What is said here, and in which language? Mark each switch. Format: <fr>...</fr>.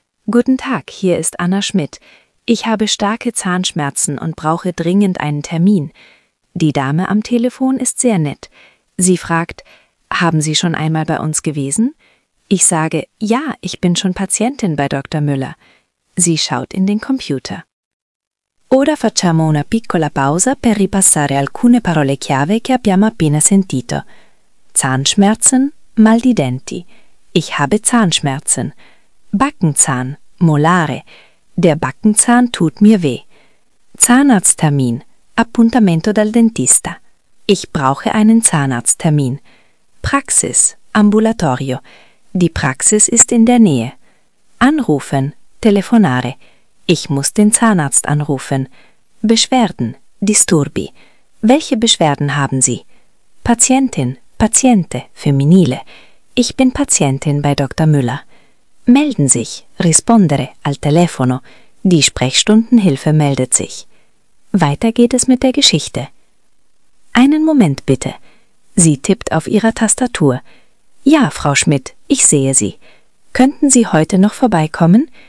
<de>Guten Tag, hier ist Anna Schmidt. Ich habe starke Zahnschmerzen und brauche dringend einen Termin. Die Dame am Telefon ist sehr nett. Sie fragt, haben Sie schon einmal bei uns gewesen? Ich sage, ja, ich bin schon Patientin bei Dr. Müller. Sie schaut in den Computer.</de> <it>Ora facciamo una piccola pausa per ripassare alcune parole chiave che abbiamo appena sentito. Zahnschmerzen, mal di denti.</it> <de>Ich habe Zahnschmerzen. Backenzahn, molare. Der Backenzahn tut mir weh. Zahnarzttermin,</de> <it>appuntamento dal dentista.</it> <de>Ich brauche einen Zahnarzttermin. Praxis, ambulatorio. Die Praxis ist in der Nähe. Anrufen, telefonare. Ich muss den Zahnarzt anrufen. Beschwerden, disturbi. Welche Beschwerden haben Sie?</de> <it>Patientin, paziente, femminile.</it> <de>Ich bin Patientin bei Dr. Müller. Melden sich,</de> <it>rispondere, al telefono.</it> <de>Die Sprechstundenhilfe meldet sich. Weiter geht es mit der Geschichte. Einen Moment bitte. Sie tippt auf ihrer Tastatur. Ja, Frau Schmidt, ich sehe Sie. Könnten Sie heute noch vorbeikommen?</de>